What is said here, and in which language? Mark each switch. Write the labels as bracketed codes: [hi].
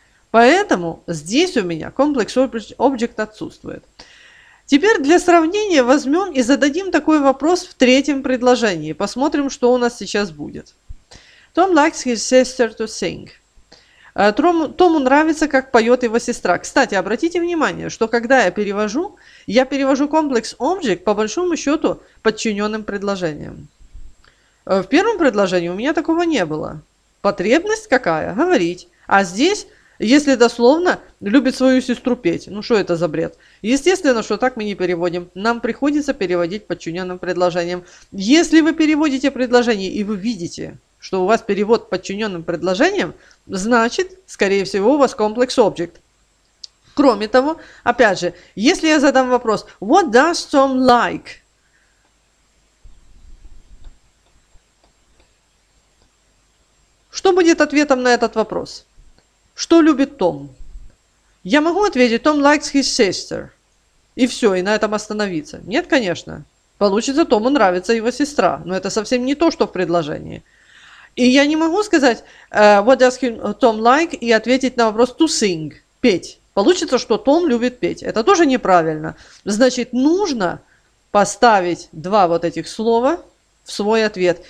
[ru] Поэтому здесь у меня complex object отсутствует. Теперь для сравнения возьмем и зададим такой вопрос в третьем предложении. Посмотрим, что у нас сейчас будет. [en] Tom likes his sister to sing. [ru] Тому нравится, как поет его сестра. Кстати, обратите внимание, что когда я перевожу комплекс object по большому счету подчиненным предложениям. В первом предложении у меня такого не было. Потребность какая? Говорить. А здесь, если дословно, любит свою сестру петь. Ну что это за бред? Естественно, что так мы не переводим. Нам приходится переводить подчиненным предложением. Если вы переводите предложение и вы видите, что у вас перевод подчиненным предложением, значит, скорее всего, у вас complex object. Кроме того, опять же, если я задам вопрос [en] «What does Tom like?», [ru] что будет ответом на этот вопрос? Что любит Том? [en] Я могу ответить «Tom likes his sister». [ru] И все, и на этом остановиться. Нет, конечно. Получится, Тому нравится его сестра. Но это совсем не то, что в предложении. И я не могу сказать [en] «What does Tom like?» [ru] и ответить на вопрос [en] «To sing?» [ru] – петь. Получится, что Том любит петь. Это тоже неправильно. Значит, нужно поставить два вот этих слова в свой ответ.